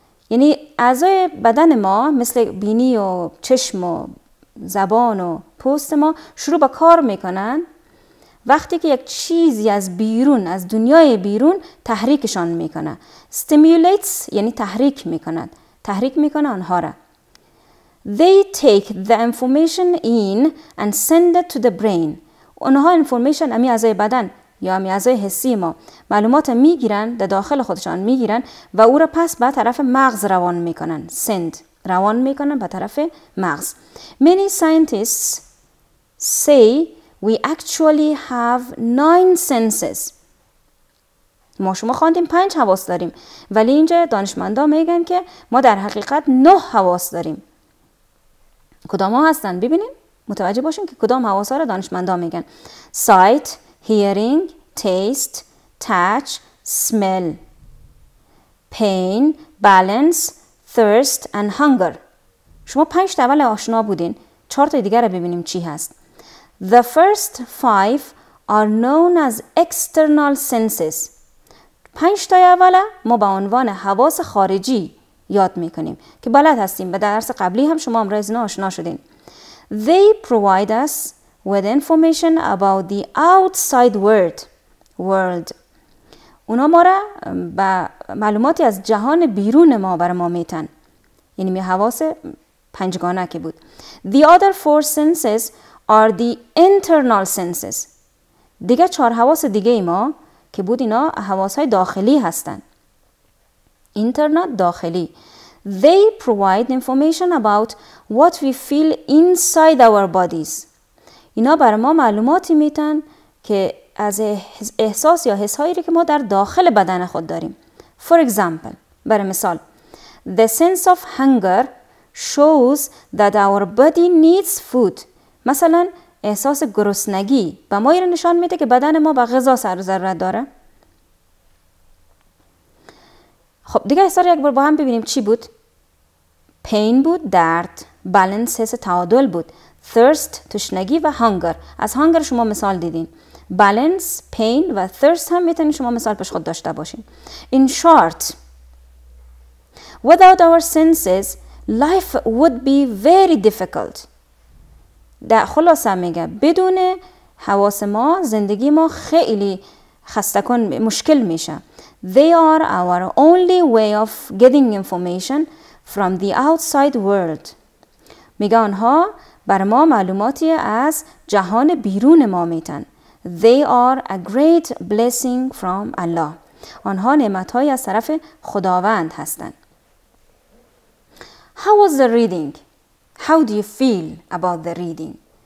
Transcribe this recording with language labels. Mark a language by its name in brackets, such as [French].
[Persian] یعنی اعضای بدن ما مثل بینی و چشم و زبان و پوست ما شروع به کار میکنن وقتی که یک چیزی از بیرون، از دنیای بیرون تحریکشان میکنه. stimulates یعنی تحریک میکنه، تحریک میکنه آنها را. [English] They take the information in and send it to the brain. [Persian] آنها information امی اعضای بدن یا امی اعضای حسی ما معلومات میگیرن، در داخل خودشان میگیرن و او را پس به طرف مغز روان میکنن. send روان میکنن به طرف مغز. [English] Many scientists say we actually have 9 senses. [Persian] ما شما خواندیم 5 حواس داریم، ولی اینجا دانشمندا میگن که ما در حقیقت 9 حواس داریم. کدام ها هستن؟ ببینیم، متوجه باشین که کدام حواس ها را دانشمندا میگن. [English] sight, hearing, taste, touch, smell, pain, balance, thirst and hunger. [Persian] شما 5 تا اول آشنا بودین، 4 تا دیگه را ببینیم چی هست. [English] The first 5 are known as external senses. [Persian] 5 تا اول ما به عنوان حواس خارجی یاد میکنیم که بلد هستیم، به درس قبلی هم شما هم رزنا آشنا شدین. [English] They provide us with information about the outside world. [Persian] اونا ما را با معلوماتی از جهان بیرون ما بر ما میتن. یعنی می حواس پنجگانه که بود. [English] The other 4 senses are the internal senses. [Persian] دیگه 4 حواس دیگه ای ما که بود اینا حواس های داخلی هستن. Internal داخلی. [English] They provide information about what we feel inside our bodies. [Persian] اینا بر ما معلوماتی میتن که از احساس یا حس هایی که ما در داخل بدن خود داریم. [English] For example, [Persian] برای مثال. [English] The sense of hunger shows that our body needs food. [Persian] مثلا احساس گرسنگی به ما این رو نشان میده که بدن ما به غذا سر و ضرورت داره. خب دیگه احساس یک بار با هم ببینیم چی بود. پین بود، درد. بالانس حس تعادل بود. thirst تشنگی و hunger. از hunger شما مثال دیدین. بالانس، پین و thirst هم میتونین شما مثال پیش خود داشته باشین. [English] In short, without our senses, life would be very difficult. [Persian] در خلاصه میگه بدون حواس ما زندگی ما خیلی خسته کن، مشکل میشه. [English] They are our only way of getting information from the outside world. [Persian] میگه آنها بر ما معلوماتی از جهان بیرون ما میتن. [English] They are a great blessing from Allah. [Persian] آنها نعمتهای از طرف خداوند هستن. [English] How was the reading? How do you feel about the reading?